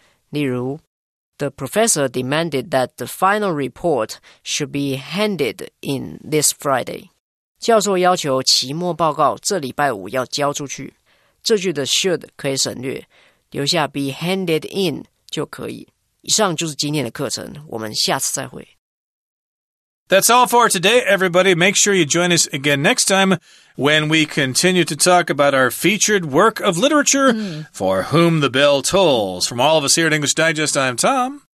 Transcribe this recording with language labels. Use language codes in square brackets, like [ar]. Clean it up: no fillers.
[zh] 例如 [en] ,The professor demanded that the final report should be handed in this Friday. [zh] 教授要求期末报告这礼拜五要交出去。这句的 should 可以省略，留下 be handed in 就可以。以上就是今天的课程，我们下次再会。 [en] That's all for today, everybody. Make sure you join us again next time when we continue to talk about our featured work of literature, For Whom the Bell Tolls. From all of us here at English Digest, I'm Tom.